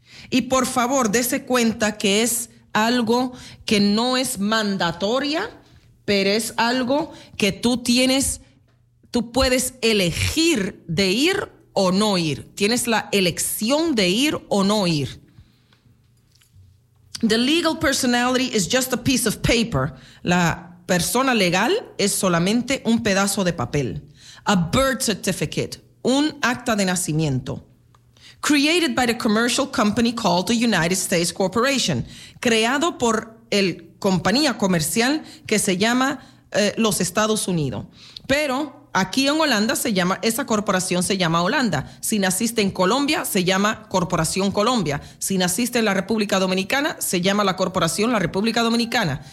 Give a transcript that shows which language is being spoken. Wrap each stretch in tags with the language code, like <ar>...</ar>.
<es>Y por favor, dese cuenta que es algo que no es mandatoria, pero es algo que tú puedes elegir de ir o no ir. Tienes la elección de ir o no ir.</es> <en>The legal personality is just a piece of paper.</en> <es>La persona legal es solamente un pedazo de papel.</es> <en>A birth certificate,</en> <es>un acta de nacimiento.</es> <en>Created by the commercial company called the United States Corporation.</en> <es>Creado por el compañía comercial que se llama los Estados Unidos. Pero aquí en Holanda se llama, esa corporación se llama Holanda. Si naciste en Colombia, se llama Corporación Colombia. Si naciste en la República Dominicana, se llama la Corporación la República Dominicana.</es>